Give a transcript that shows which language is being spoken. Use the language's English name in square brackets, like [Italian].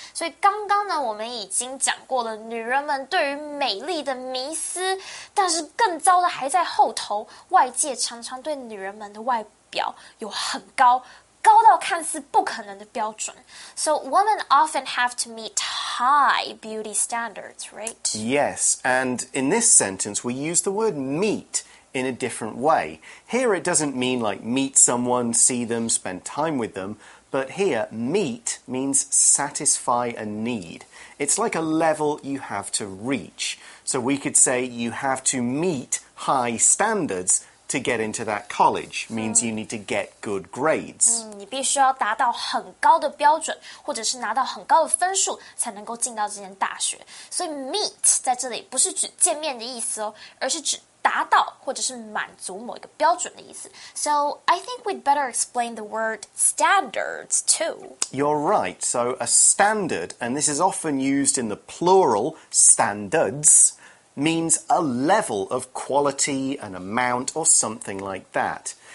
[Chinese] 所以刚刚呢，我们已经讲过了女人们对于美丽的迷思，但是更糟的还在后头。外界常常对女人们的外表有很高，高到看似不可能的标准。 [English] So women often have to meet high beauty standards, right? Yes, and in this sentence we use the word meet. In a different way. Here it doesn't mean like meet someone, see them, spend time with them, but here meet means satisfy a need. It's like a level you have to reach. So we could say you have to meet high standards to get into that college, means you need to get good grades. [Chinese] 你必须要达到很高的标准，或者是拿到很高的分数，才能够进到这间大学。所以 meet 在这里不是指见面的意思哦，而是指达到或者是满足某一个标准的意思。 [English] So, I think we'd better explain the word standards, too. You're right. So, a standard, and this is often used in the plural, standards, means a level of quality, an amount, or something like that.